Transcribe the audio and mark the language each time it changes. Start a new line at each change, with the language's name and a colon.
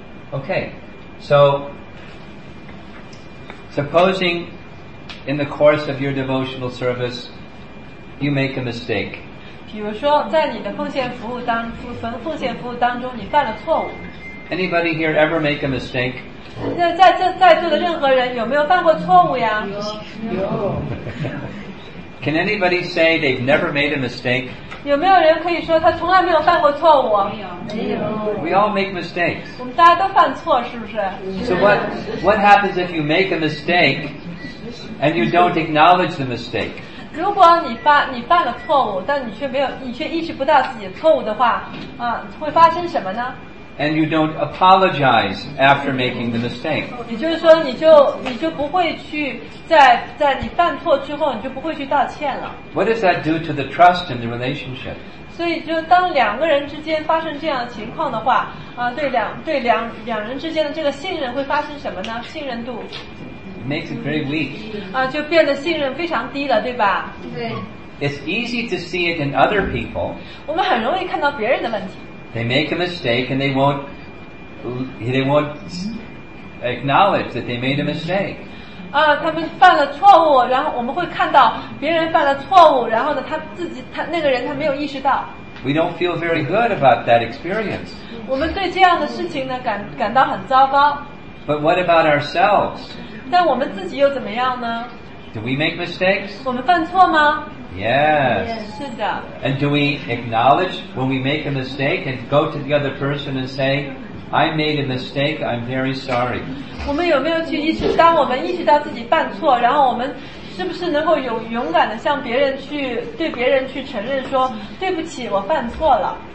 English: Okay, so supposing in the course of your devotional service you make a mistake.
Chinese: 比如说在你的奉献服务当中你犯了错误。
English: Anybody here ever make a mistake?
Chinese: 在座的任何人有没有犯过错误呀？有。
English: Can anybody say they've never made a mistake?
Chinese: 有没有人可以说他从来没有犯过错误？没有。
English: We all make mistakes.
Chinese: 我们大家都犯错，是不是？
English: So what happens if you make a mistake and you don't acknowledge the mistake?
Chinese: 如果你犯了错误，但你却意识不到自己的错误的话，会发生什么呢？
English: And you don't apologize after making the mistake.
Chinese: 也就是说你就不会去在你犯错之后你就不会去道歉了。
English: What does that do to the trust in the relationship?
Chinese: 所以就当两个人之间发生这样的情况的话，对两人之间的这个信任会发生什么呢？信任度。
English: It makes it very weak.
Chinese: 就变得信任非常低了，对吧？对。
English: It's easy to see it in other people.
Chinese: 我们很容易看到别人的问题。
English: They make a mistake and they won't acknowledge that they made a mistake.
Chinese: 他们犯了错误，然后我们会看到别人犯了错误，然后呢，他没有意识到。
English: We don't feel very good about that experience.
Chinese: 我们对这样的事情呢，感到很糟糕。
English: But what about ourselves?
Chinese: 但我们自己又怎么样呢？
English: Do we make mistakes?
Chinese: 我们犯错吗？
English: Yes. Yes. And do we acknowledge when we make a mistake and go to the other person and say, I made a mistake, I'm very sorry.
Chinese: 我们有没有去意识，当我们意识到自己犯错，然后我们是不是能够有勇敢的向别人去，对别人去承认说，对不起，我犯错了。